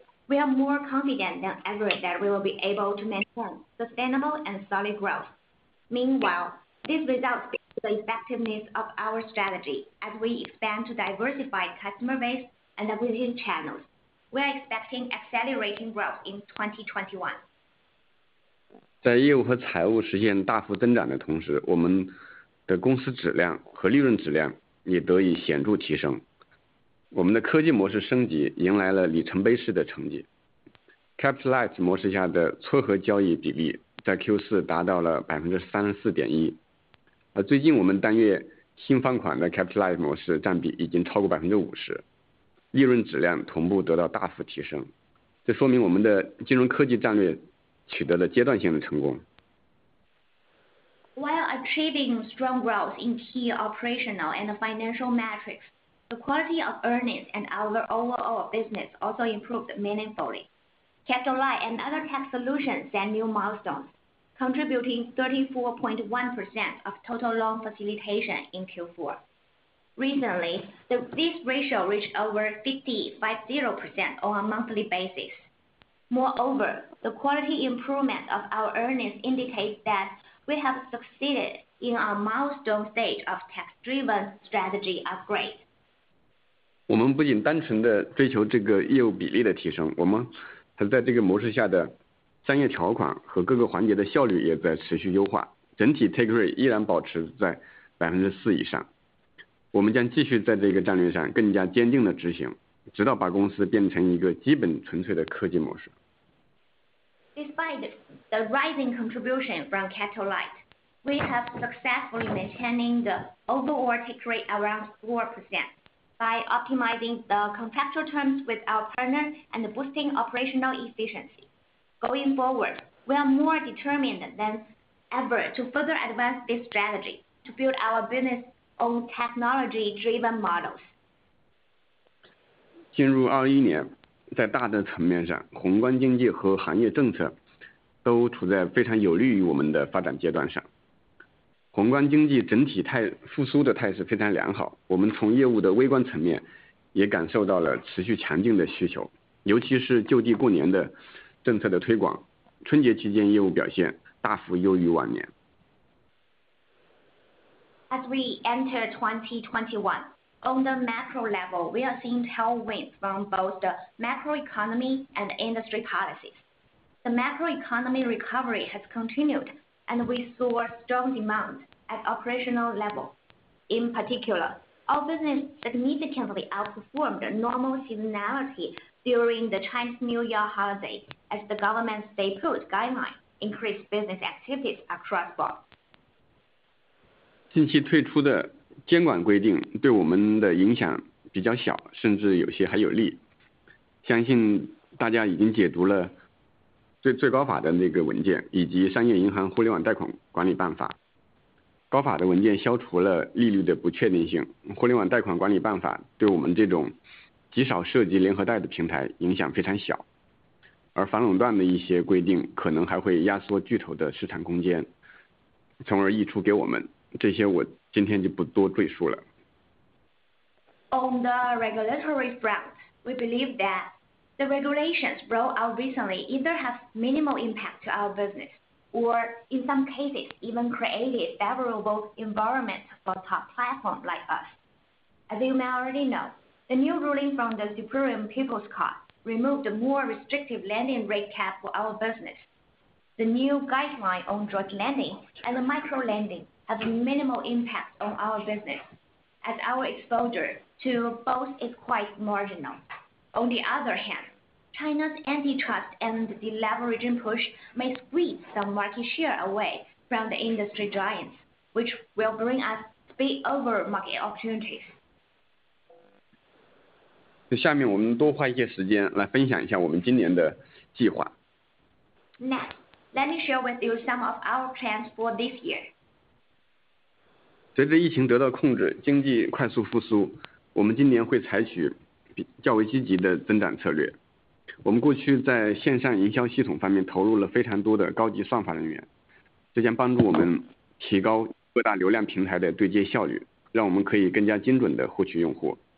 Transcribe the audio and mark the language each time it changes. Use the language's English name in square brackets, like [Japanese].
[English] We are more confident than ever that we will be able to maintain sustainable and solid growth. Meanwhile, these results speak to the effectiveness of our strategy as we expand to diversify customer base and acquisition channels. We are expecting accelerating growth in 2021. [Chinese] 在业务和财务实现大幅增长的同 时， 我们的公司质量和利润质量也得以显著提升。我们的科技模式升级迎来了里程碑式的成绩。 Capitalize 模式下的撮合交易比例在 Q4 达到了 34.1%， 而最近我们单月新放款的 Capitalize 模式占比已经超过 50%， 利润质量同步得到大幅提升。这说明我们的金融科技战略取得了阶段性的成功。 [English] While achieving strong growth in key operational and financial metrics, the quality of earnings and our overall business also improved meaningfully. Capitalize and other tech solutions set new milestones, contributing 34.1% of total loan facilitation in Q4. Recently, this ratio reached over 50% on a monthly basis. Moreover, the quality improvement of our earnings indicates that we have succeeded in our milestone stage of tech-driven strategy upgrade. [Chinese] 我们不仅单纯地追求这个业务比例的提升，我们还在这个模式下的商业条款和各个环节的效率也在持续优化，整体 take rate 依然保持在4%以上。我们将继续在这个战略上更加坚定地执行，直到把公司变成一个基本纯粹的科技模式。 [English] Despite the rising contribution from Capital Light, we have successfully maintaining the overall take rate around 4% by optimizing the contractual terms with our partner and boosting operational efficiency. Going forward, we are more determined than ever to further advance this strategy to build our business on technology-driven models. [Chinese] 进入21年，在大的层面上，宏观经济和行业政策都处在非常有利于我们的发展阶段上。宏观经济整体复苏的态势非常良好，我们从业务的微观层面也感受到了持续强劲的需求，尤其是就地过年的政策的推广，春节期间业务表现大幅优于往年。 [English] As we enter 2021,On the macro level, we are seeing tailwinds from both the macroeconomy and industry policies. The macroeconomy recovery has continued, and we saw strong demand at operational level. In particular, our business significantly outperformed normal seasonality during the Chinese New Year holiday as the government's stay put guideline increased business activities across board. [Chinese] 近期推出的监管规定对我们的影响比较小，甚至有些还有利。相信大家已经解读了最高法的那个文件，以及商业银行互联网贷款管理办法。高法的文件消除了利率的不确定性，互联网贷款管理办法对我们这种极少涉及联合贷的平台影响非常小。而反垄断的一些规定可能还会压缩巨头的市场空间，从而溢出给我们。这些我今天就不多赘述了。 [English] On the regulatory front, we believe that the regulations rolled out recently either have minimal impact to our business, or in some cases even created favorable environment for top platform like us. As you may already know, the new ruling from the Supreme People's Court removed a more restrictive lending rate cap for our business. The new guideline on direct lending and the micro lending. Have minimal impact on our business, as our exposure to both is quite marginal. On the other hand, China's antitrust and deleveraging push may squeeze some market share away from the industry giants, which will bring us spillover market opportunities. [Chinese] 下面我们多花一些时间来分享一下我们今年的计划。 [English] Next, let me share with you some of our plans for this year. [Chinese] 随着疫情得到控制，经济快速复苏，我们今年会采取较为积极的增长策略。我们过去在线上营销系统方面投入了非常多的高级算法人员，这将帮助我们提高各大流量平台的对接效率，让我们可以更加精准地获取用户。